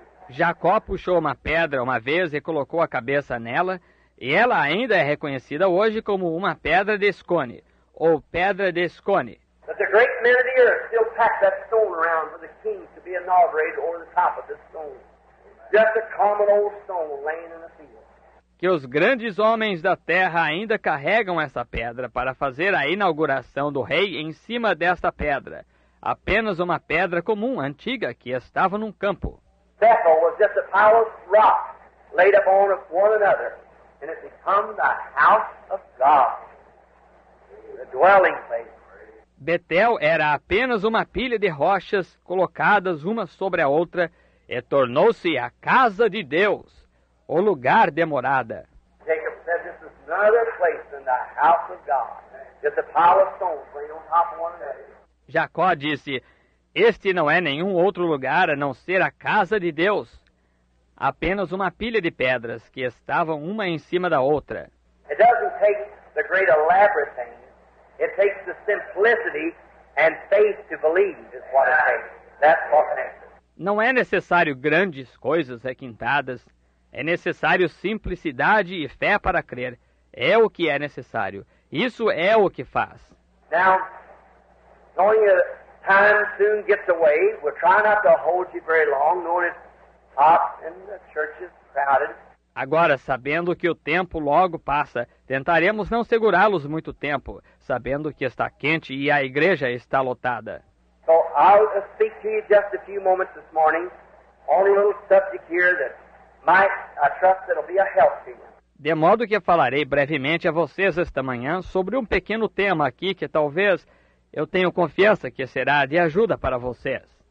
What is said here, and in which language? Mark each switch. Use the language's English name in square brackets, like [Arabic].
[Portuguese] Jacó puxou uma pedra uma vez e colocou a cabeça nela, e ela ainda é reconhecida hoje como uma pedra de Escone, ou pedra de Escone. [English] But the great men of the earth still pack that stone around for the king to be inaugurated over the top of this stone. Just a common old stone laying in the field. [Portuguese] Que os grandes homens da terra ainda carregam essa pedra para fazer a inauguração do rei em cima desta pedra. Apenas uma pedra comum, antiga, que estava num campo. [English] Bethel was just a pile of rock laid upon one another, and it became the house of God, the dwelling place. [Portuguese] Betel era apenas uma pilha de rochas colocadas uma sobre a outra e tornou-se a casa de Deus, o lugar de morada. [English] Jacob said, this is another place than the house of God. It's a pile of stones laid on top of one another. [Portuguese] Jacó disse, este não é nenhum outro lugar a não ser a casa de Deus, apenas uma pilha de pedras que estavam uma em cima da outra. [English] It doesn't take the great elaborate thing. It takes the simplicity and faith to believe is what it takes. That's what it takes. [Portuguese] Não é necessário grandes coisas requintadas. É necessário simplicidade e fé para crer. É o que é necessário. Isso é o que faz. [English] Now, knowing that time soon gets away, we're trying not to hold you very long, knowing it's hot and the church is crowded. [Portuguese] Agora, sabendo que o tempo logo passa, tentaremos não segurá-los muito tempo, sabendo que está quente e a igreja está lotada. [English] So I'll speak to you just a few moments this morning on a little subject here that might, I trust it'll be a help to you. [Portuguese] De modo que falarei brevemente a vocês esta manhã sobre um pequeno tema aqui que talvez eu tenha confiança que será de ajuda para vocês.